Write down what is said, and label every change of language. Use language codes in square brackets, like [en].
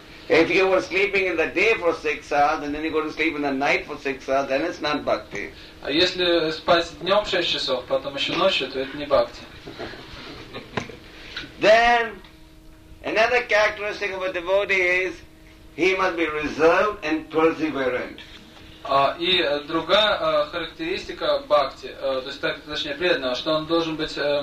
[en] If you were sleeping in the day for 6 hours and then you go to sleep in the night for 6 hours, then it's not bhakti. [ru] А если спать днем 6 часов, потом еще ночью, то это не бхакти. [en] Then another characteristic of a devotee is he must be reserved and perseverant. [ru] И другая характеристика бхакти, то есть точнее преданного, что он должен быть